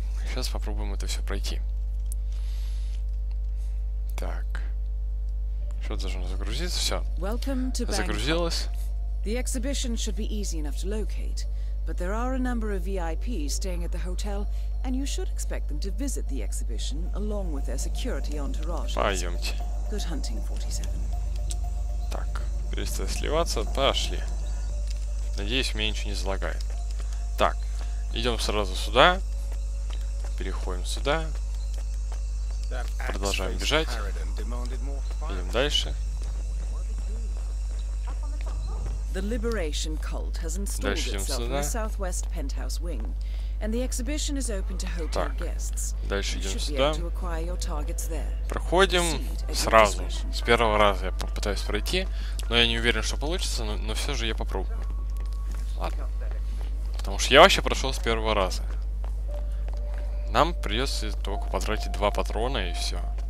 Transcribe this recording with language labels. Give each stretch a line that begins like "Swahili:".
Russian: Сейчас попробуем это все пройти. Так. Что-то должно загрузиться. Все. Загрузилось. Экспозиция должна быть легкой, но есть множество VIP,
English: staying at the hotel. And you should expect them to visit the exhibition along with their security entourage.
Russian: Пойдемте.
English: Good hunting, 47.
Russian: Так, перестали сливаться, пошли. Надеюсь, меня ничего не залагает. Так, идем сразу сюда. Переходим сюда. Продолжаем бежать. Идем дальше.
English: The Liberation Cult has installed itself in the southwest penthouse wing. And the exhibition is open to hotel guests.
Russian: Дальше идем сюда. Проходим сразу. С первого раза я попытаюсь пройти. Но я не уверен, что получится, но все же я попробую. Ладно. Потому что я вообще прошел с первого раза. Нам придется только потратить 2 патрона и все.